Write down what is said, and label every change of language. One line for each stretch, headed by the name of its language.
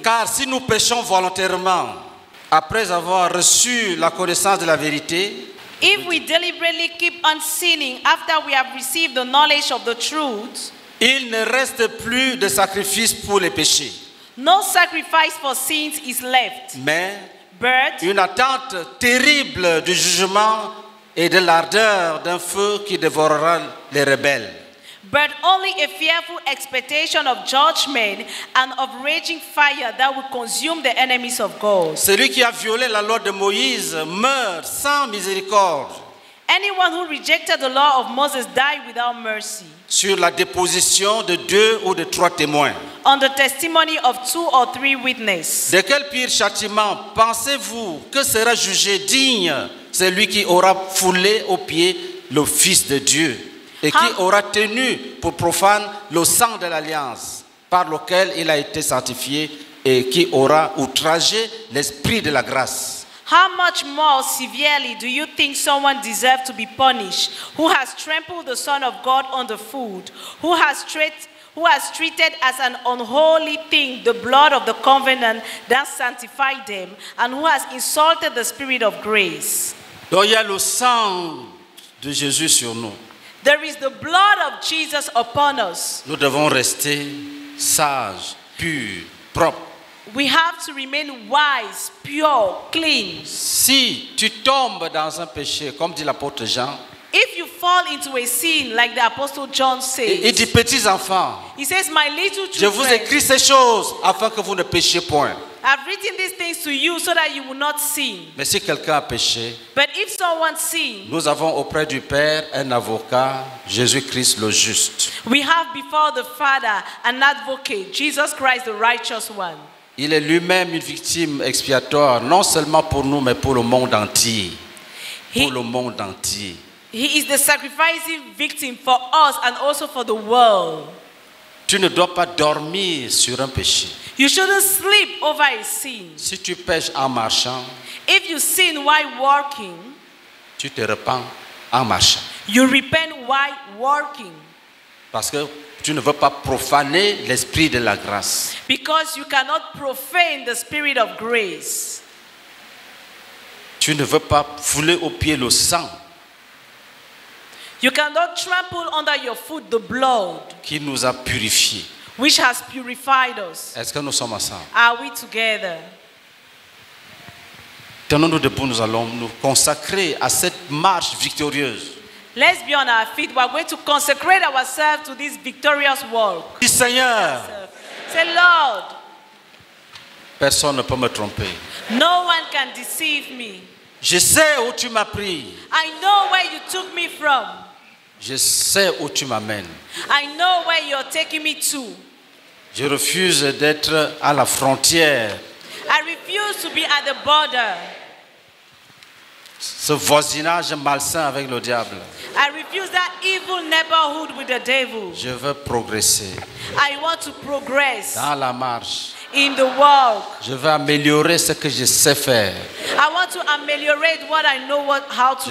French: Car si nous péchons volontairement, après avoir reçu la connaissance de la vérité,
English: if we deliberately keep on sinning after we have received the knowledge of the truth,
French: il ne reste plus de sacrifice pour les péchés.
English: No sacrifice for sins is left.
French: Mais
English: but
French: une attente terrible du jugement et de l'ardeur d'un feu qui dévorera les rebelles.
English: But only a fearful expectation of judgment and of raging fire that will consume the enemies of God.
French: Celui qui a violé la loi de Moïse meurt sans miséricorde.
English: Anyone who rejected the law of Moses died without mercy.
French: Sur la déposition de deux ou de trois témoins.
English: On the testimony of two or three witnesses.
French: De quel pire châtiment pensez-vous que sera jugé digne celui qui aura foulé aux pieds le Fils de Dieu et qui aura tenu pour profane le sang de l'Alliance par lequel il a été sanctifié et qui aura outragé l'Esprit de la grâce?
English: How much more severely do you think someone deserves to be punished who has trampled the Son of God underfoot, who has treated as an unholy thing the blood of the covenant that sanctified them, and who has insulted the Spirit of grace?
French: Donc, il y a le sang de Jésus sur nous.
English: There is the blood of Jesus upon us.
French: Nous devons rester sages, purs, propres.
English: We have to remain wise, pure, clean.
French: Si tu tombes dans un péché, comme dit l'apôtre Jean.
English: If you fall into a sin, like the apostle John says.
French: Il dit, petits enfants.
English: He says, my little children.
French: Je vous écris ces choses afin que vous ne péchiez point.
English: I've written these things to you so that you will not sin.
French: Mais si quelqu'un a péché.
English: But if someone sins.
French: Nous avons auprès du Père un avocat, Jésus-Christ le juste.
English: We have before the Father an advocate, Jesus Christ the righteous one.
French: Il est lui-même une victime expiatoire, non seulement pour nous, mais pour le monde entier.
English: He is the sacrificing victim for us and also for the world.
French: Tu ne dois pas dormir sur un péché.
English: You shouldn't sleep over a sin.
French: Si tu pèches en marchant,
English: if you sin while walking,
French: tu te repens en marchant.
English: You repent while walking.
French: Parce que tu ne veux pas profaner l'esprit de la grâce.
English: Because you cannot profane the spirit of grace.
French: Tu ne veux pas fouler au pied le sang.
English: You cannot trample under your foot the blood.
French: Qui nous a purifiés.
English: Which has purified us.
French: Est-ce que nous sommes ensemble?
English: Are we together?
French: Tenons-nous debout, nous allons nous consacrer à cette marche victorieuse.
English: Let's be on our feet. We are going to consecrate ourselves to this victorious walk.
French: Seigneur.
English: Say, Lord.
French: Personne ne peut me tromper.
English: No one can deceive me.
French: Je sais où tu m'as pris.
English: I know where you took me from.
French: Je sais où tu m'amènes.
English: I know where you're taking me to.
French: Je refuse d'être à la frontière.
English: I refuse to be at the border.
French: Ce voisinage malsain avec le diable.
English: I refuse that evil neighborhood with the devil.
French: Je veux progresser.
English: I want to progress.
French: Dans la marche.
English: In the walk.
French: Je veux améliorer ce que je sais faire.
English: I want to ameliorate what I know how to do.